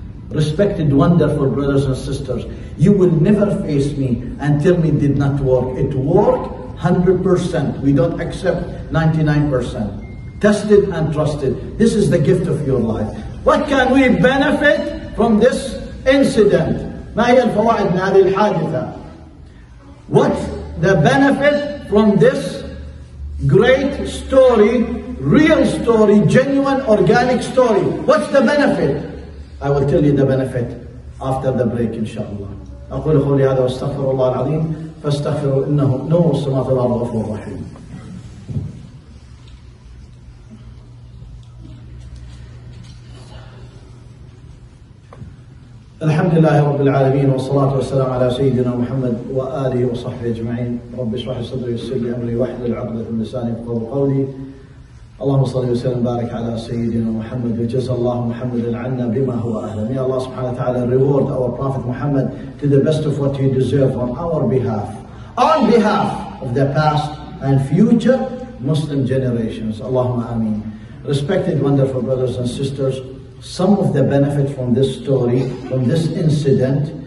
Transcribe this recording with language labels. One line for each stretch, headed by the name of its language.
English: Respected, wonderful brothers and sisters, you will never face me and tell me it did not work. It worked 100%. We don't accept 99%. Tested and trusted. This is the gift of your life. What can we benefit from this incident?
Arabic: ما هي الفوائد من هذه الحادثة?
English: What the benefit from this great story, real story, genuine, organic story? What's the benefit? I will tell you the benefit after the break, inshallah.
Arabic: أقول قولي هذا واستغفر الله العظيم فاستغفروا إنه نور السماوات والأرض غفور رحيم. الحمد لله رب العالمين والصلاة والسلام على سيدنا محمد وآله وصحبه أجمعين. رب اشرح صدري ويسر لي أمري واحلل عقدة من لساني يفقهوا قولي. اللهم صل وسلم بارك على سيدنا محمد وجزا الله محمد عنا بما هو اهل.
English: May Allah subhanahu wa ta'ala reward our Prophet Muhammad to the best of what he deserves on our behalf, on behalf of the past and future Muslim generations. Allahumma ameen. Respected, wonderful brothers and sisters, some of the benefit from this story, from this incident.